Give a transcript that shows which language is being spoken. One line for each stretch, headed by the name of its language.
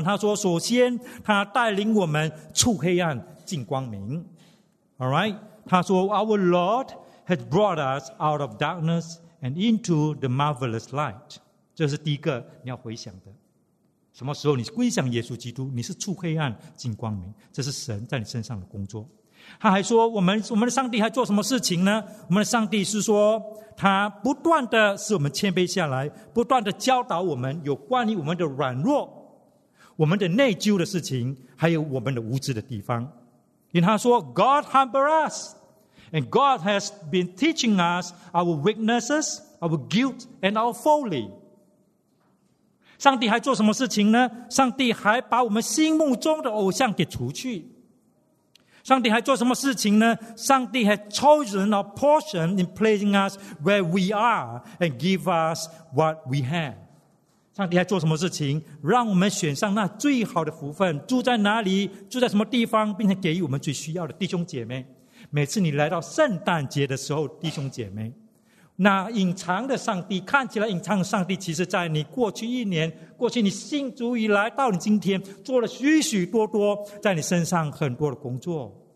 Chinese: 他说首先他带领我们出黑暗进光明， alright， 他说
English: Our Lord has brought us out of darkness and into the marvelous light，
Chinese: 这是第一个你要回想的，什么时候你归向耶稣基督，你是出黑暗进光明，这是神在你身上的工作。他还说我们的上帝还做什么事情呢？我们的上帝是说他不断的使我们谦卑下来，不断的教导我们有关于我们的软弱，我们的内疚的事情，还有我们的无知的地方。因为他说
English: God humble us and God has been teaching us our weaknesses, our guilt and our folly。
Chinese: 上帝还做什么事情呢？上帝还把我们心目中的偶像给除去。上帝还做什么事情呢？
English: 上帝 has chosen our portion in placing us where we are and give us what we have。
Chinese: 上帝还做什么事情？让我们选上那最好的福分，住在哪里，住在什么地方，并且给予我们最需要的。弟兄姐妹，每次你来到圣诞节的时候，弟兄姐妹，那隐藏的上帝，看起来隐藏的上帝，其实在你过去一年，过去你信主以来到你今天，做了许许多多在你身上很多的工作。